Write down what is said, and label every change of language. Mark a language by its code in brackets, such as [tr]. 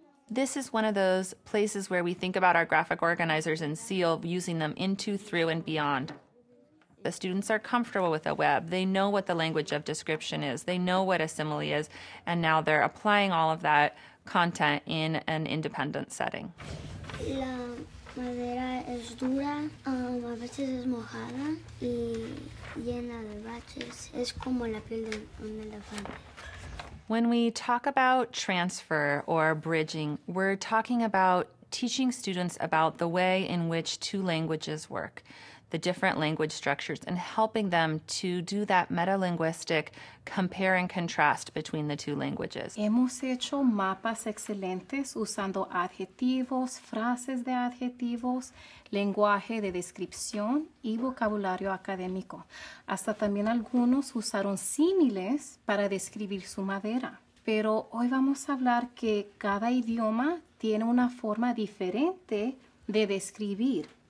[en] This is one of those places where we think about our graphic organizers and SEAL using them into, through, and beyond. The students are comfortable with a web. They know what the language of description is. They know what a simile is. And now they're applying all of that content in an independent setting. [es] La madera es dura, a veces es mojada y llena de baches. Es como la piel de un elefante. [en] When we talk about transfer or bridging, we're talking about teaching students about the way in which two languages work, the different language structures, and helping them to do that metalinguistic compare and contrast between the two languages. [es] Hemos hecho mapas excelentes usando adjetivos, frases de adjetivos, lenguaje de descripción y vocabulario académico. Hasta también algunos usaron símiles para describir su madera. Pero hoy vamos a hablar que cada idioma tiene una forma diferente de describir.